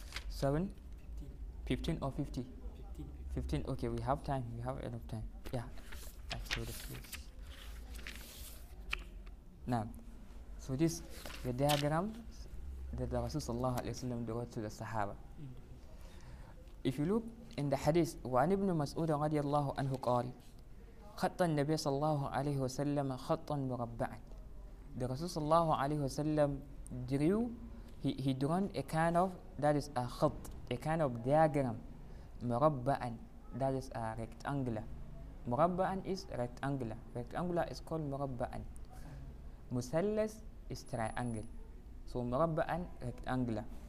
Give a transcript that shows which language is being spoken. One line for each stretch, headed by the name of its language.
English: 7? 15 or 50? 15. Okay, we have time. We have enough time. Yeah. I saw this place. Now, so this, the diagram, that the Rasul sallallahu alayhi wa sallam wrote to the Sahaba. If you look in the hadith,
Arabic: وعن ابن مسعود رضي الله عنه قال خط النبي صلى الله عليه وسلم خطا مربعا.
English: The Rasul sallallahu alayhi wa sallam drew, he drawn a kind of, that is a khat, a kind of diagram, مربعاً, that is a rectangular. مربعاً is rectangular. Rectangular is called مربعاً. مثلث is triangle. So مربعاً, rectangular.